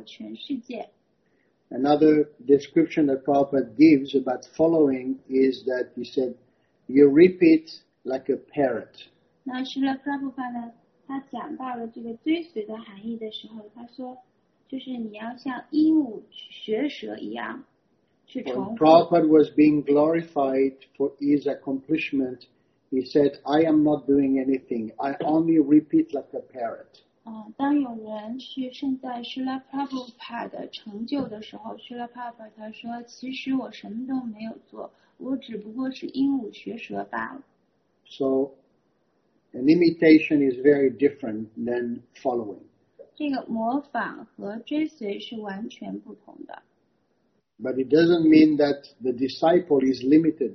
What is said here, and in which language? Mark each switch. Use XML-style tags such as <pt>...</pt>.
<zh>但是呢，是巴基斯坦的萨拉斯瓦蒂的门徒，也就是是拉普拉，他是不仅把这个使命传遍了这个印度，他是把这个使命传遍到了全世界。</zh> <en>Another description that Prabhupada gives about following is that he said, "You repeat like a parrot."</en> <zh>那是拉普拉呢，他讲到了这个追随的含义的时候，他说。就是你要像鹦鹉学舌一样去重复。</zh> <en>When Prabhupada was being glorified for his accomplishment, he said, I am not doing anything. I only repeat like a parrot.</en> <zh>当有人去称赞Srila Prabhupada的成就的时候，Srila Prabhupada他说，其实我什么都没有做，我只不过是鹦鹉学舌罢了。</zh> <en>So, an imitation is very different than following.</en> <zh>这个模仿和追随是完全不同的。</zh> <en>But it doesn't mean that the disciple is limited.</en>